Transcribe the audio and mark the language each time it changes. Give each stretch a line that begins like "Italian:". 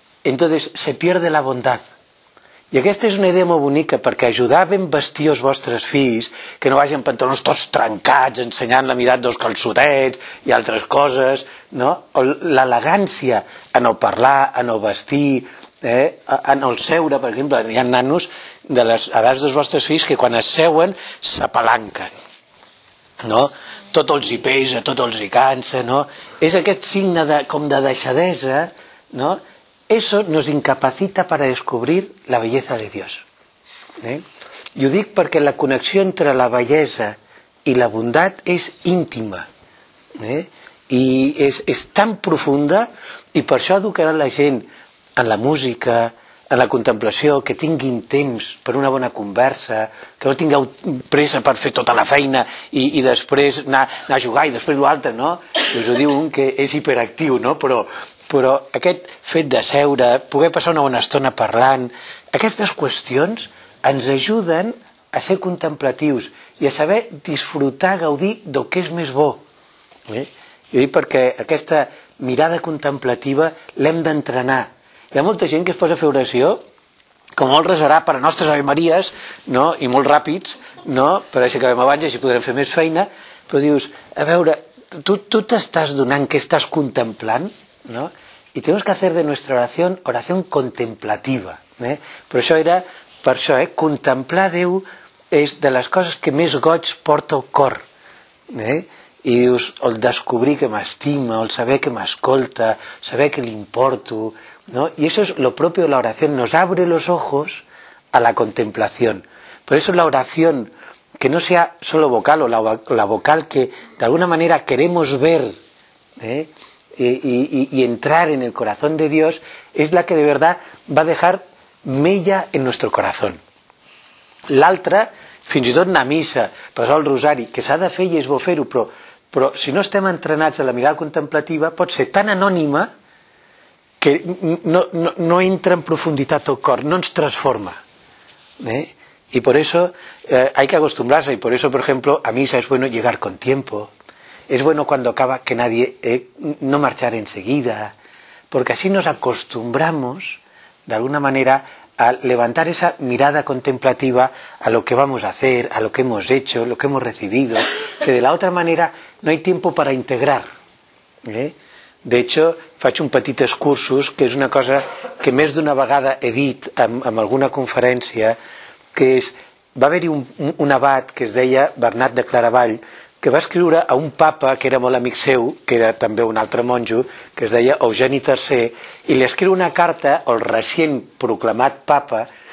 Spanish: Entonces, se pierde la bondad.
Catalan: I aquesta és una idea molt bonica, perquè ajudar ben vestir els vostres fills, que no vagin pantalons tots trencats, ensenyant la mirada dels calçotets i altres coses, no? L'elegància en el parlar, en el vestir, en el seure, per exemple, hi ha nanos de les edats dels vostres fills que quan es seuen s'apalanquen, no? Tot els hi pesa, tot els hi cansa, no? És aquest signe de, com de deixadesa, no?
Spanish: Eso nos incapacita para descubrir la belleza de Dios. ¿Eh? Y lo digo porque la conexión entre la belleza y la bondad es íntima. ¿Eh? Y es tan profunda, y por eso educar a la gente en la música, en la contemplación,
Catalan: que tinguin temps per una bona conversa, que no tingueu pressa per fer tota la feina i després anar a jugar i després l'altre, no? I us ho diu un que és hiperactiu, no? Però aquest fet de seure, poder passar una bona estona parlant, aquestes qüestions ens ajuden a ser contemplatius i a saber disfrutar, gaudir del que és més bo. Jo dic perquè aquesta mirada contemplativa l'hem d'entrenar. Hi ha molta gent que es posa a fer oració, com molt resarà per a nostres Ave Maries, no? I molt ràpids, no? Per això acabem abans i així podrem fer més feina, però dius, a veure, tu t'estàs donant que estàs contemplant, no?
Spanish: I tenemos que hacer de nuestra oración oración contemplativa, ¿eh?
Catalan: Però això era per això, ¿eh? Contemplar Déu és de les coses que més goig porta al cor, ¿eh? I dius, el descobrir que m'estima, el saber que m'escolta, saber que li importo, ¿no?
Spanish: Y eso es lo propio de la oración, nos abre los ojos a la contemplación. Por eso la oración, que no sea solo vocal o la vocal que de alguna manera queremos ver, ¿eh? Y entrar en el corazón de Dios, es la que de verdad va a dejar mella en nuestro corazón.
Catalan: L'altra, fins i tot una missa, resol rosari, que s'ha de fer i és bo fer-ho, però si no estem entrenats a la mirada contemplativa, pot ser tan anònima que no entra en profunditat el cor, no ens transforma. I per això
Spanish: hay que acostumbrarse, y por eso, por ejemplo, a misa es bueno llegar con tiempo. Es bueno cuando acaba que nadie, no marchar enseguida, porque así nos acostumbramos, de alguna manera, a levantar esa mirada contemplativa a lo que vamos a hacer, a lo que hemos hecho, lo que hemos recibido, que de la otra manera no hay tiempo para integrar, ¿eh? De hecho,
Catalan: faig un petit excursus, que és una cosa que més d'una vegada he dit en alguna conferència, que és, va haver-hi un abat que es deia Bernat de Claravall, que va escriure a un papa que era molt amic seu, que era també un altre monjo, que es deia Eugeni III, i li escriu una carta al recient proclamat papa,